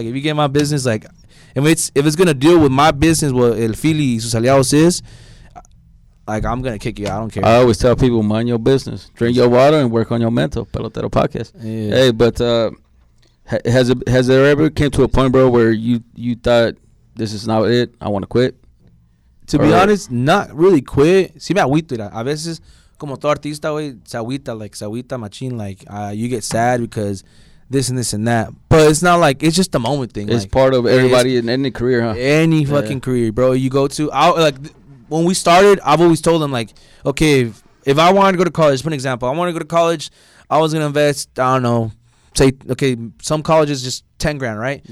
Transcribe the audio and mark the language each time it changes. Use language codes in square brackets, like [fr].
[en] Like, if you get in my business, like, if it's going to deal with my business, what El Fili y sus aliados is, like, I'm going to kick you. I don't care. I always tell people, mind your business. Drink your water and work on your mental. Pelotero Podcast. Yeah. Hey, but has there ever came to a point, bro, where you thought, this is not it, I want to quit? To be honest, not really quit. [es] Si me agüita. A veces, como todo artista, güey, se agüita machín. [en] Like, you get sad because this and this and that. But it's not like, it's just the moment thing. It's like, part of everybody in any career, huh? Any fucking career, bro. You go to, when we started, I've always told them, like, okay, if I wanted to go to college, for example, I want to go to college, I was going to invest, I don't know, say, okay, some colleges just 10 grand, right?